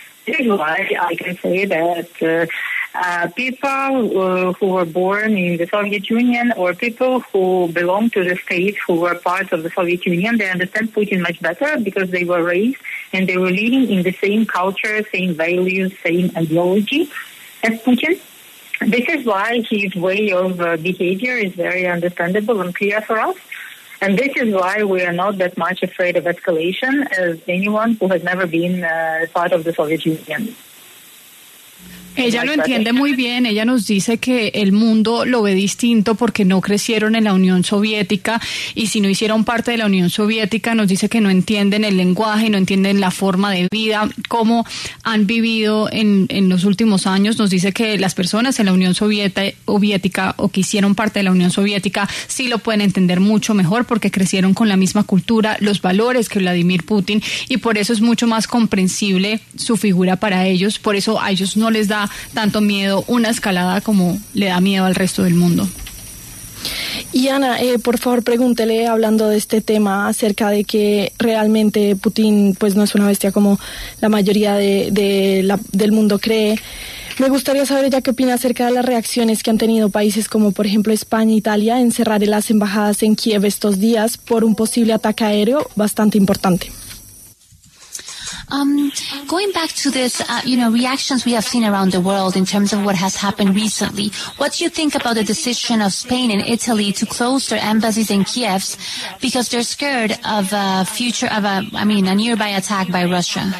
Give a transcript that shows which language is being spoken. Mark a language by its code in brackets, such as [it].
[en] This is why I can say that people who were born in the Soviet Union or people who belong to the state who were part of the Soviet Union, they understand Putin much better because they were raised and they were living in the same culture, same values, same ideology as Putin. This is why his way of behavior is very understandable and clear for us. And this is why we are not that much afraid of escalation as anyone who has never been part of the Soviet Union. [es] Ella lo entiende muy bien. Ella nos dice que el mundo lo ve distinto porque no crecieron en la Unión Soviética, y si no hicieron parte de la Unión Soviética, nos dice que no entienden el lenguaje, no entienden la forma de vida, cómo han vivido en los últimos años. Nos dice que las personas en la Unión Soviética o que hicieron parte de la Unión Soviética sí lo pueden entender mucho mejor porque crecieron con la misma cultura, los valores que Vladimir Putin, y por eso es mucho más comprensible su figura para ellos. Por eso a ellos no les da tanto miedo una escalada como le da miedo al resto del mundo. Y Ana, por favor, pregúntele, hablando de este tema, acerca de que realmente Putin pues no es una bestia como la mayoría del mundo cree. Me gustaría saber ya qué opina acerca de las reacciones que han tenido países como, por ejemplo, España e Italia en cerrar las embajadas en Kiev estos días por un posible ataque aéreo bastante importante. [en] Going back to this, reactions we have seen around the world in terms of what has happened recently, what do you think about the decision of Spain and Italy to close their embassies in Kiev because they're scared of a future of a nearby attack by Russia?